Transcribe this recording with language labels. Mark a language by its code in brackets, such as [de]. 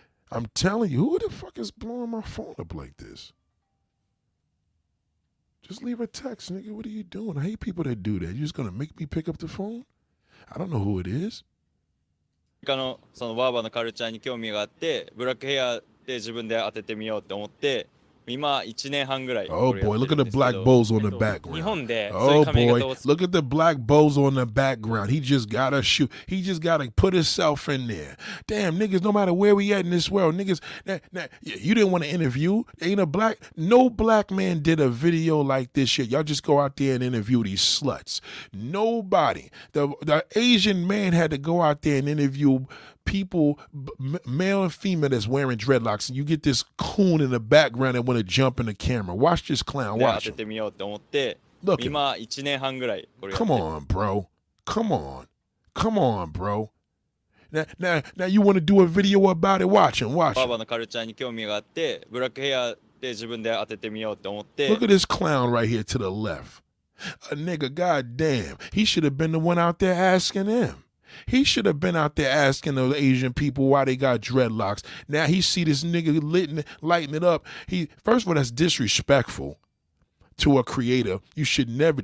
[en] I'm telling you, who the fuck is blowing my phone up like this? Just leave a text, nigga. What are you doing? I hate people that do that. You just gonna make me pick up the phone? I don't know who it is. [ja] そのバーバーのカルチャーに興味があって、ブラックヘアで自分で当ててみようって思って、 [en] Oh boy, look at the black bows on the background. Oh boy, look at the black bows on the background. He just got to shoot. He just got to put himself in there. Damn, niggas, no matter where we at in this world, niggas, you didn't want to interview. No black man did a video like this shit. Y'all just go out there and interview these sluts. Nobody. The Asian man had to go out there and interview people, male and female, that's wearing dreadlocks, and you get this coon in the background that want to jump in the camera. Watch this clown. Watch him. Look at him. Come on, bro. Come on. Come on, bro. Now you want to do a video about it? Watch him. Watch him. [ja] バーバーのカルチャーに興味があって、ブラックヘアで自分で当ててみようと思って。 [en] Look at this clown right here to the left. A nigga, goddamn. He should have been the one out there asking him. He should have been out there asking the Asian people why they got dreadlocks. Now he see this nigga lighting it up. First of all, that's disrespectful to a creator. You should never.